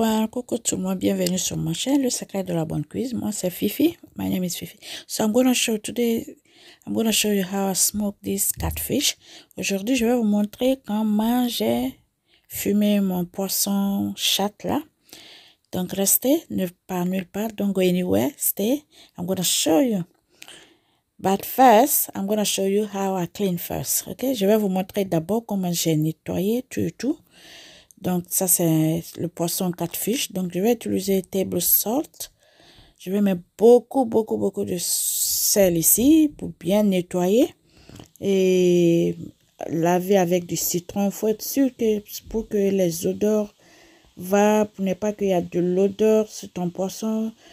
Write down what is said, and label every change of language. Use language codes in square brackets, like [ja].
[fr] Coucou tout le monde, bienvenue sur ma chaîne Le Secret de la Bonne Cuisine. Moi c'est Fifi. [en] My name is Fifi. So I'm gonna show you how I smoke this catfish. [fr] Aujourd'hui je vais vous montrer comment j'ai fumé mon poisson chat là. Donc restez, ne pas nulle part. [en] Don't go anywhere. Stay. I'm gonna show you. But first, I'm gonna show you how I clean first. [fr] Ok, je vais vous montrer d'abord comment j'ai nettoyé tout. Donc, ça, c'est le poisson catfish. Donc, je vais utiliser table salt. Je vais mettre beaucoup de sel ici pour bien nettoyer. Et laver avec du citron. Il faut être sûr que pour que les odeurs va, pour ne pas qu'il y ait de l'odeur sur ton poisson.